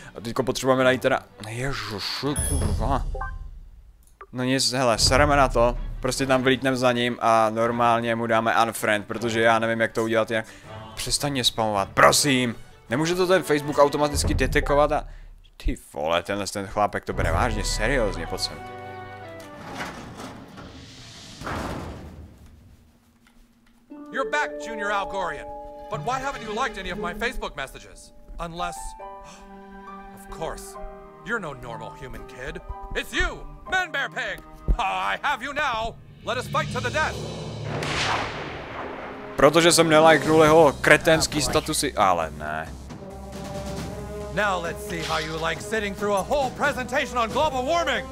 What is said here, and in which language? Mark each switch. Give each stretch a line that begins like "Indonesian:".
Czech: A teďko potřebujeme najít teda... Ježiši, kurva. No nic, hele, sereme na to, prostě tam vlítneme za ním a normálně mu dáme unfriend, protože já nevím, jak to udělat, jak... Přestaň mě spamovat, prosím! Nemůže to ten Facebook automaticky detekovat a... Ty vole, tenhle ten chlápek to bere vážně, seriózně, pojď sem.
English: You're back, Junior Algorian. But why haven't you liked any of my Facebook messages? Unless... Of course. You're no normal human kid. It's you! Man Bear Pig! I have you now! Let us fight to the death!
Czech: Protože jsem nelajknul jeho kretenský statusy, ale ne.
English: Now let's see how you like sitting through a whole presentation on global warming!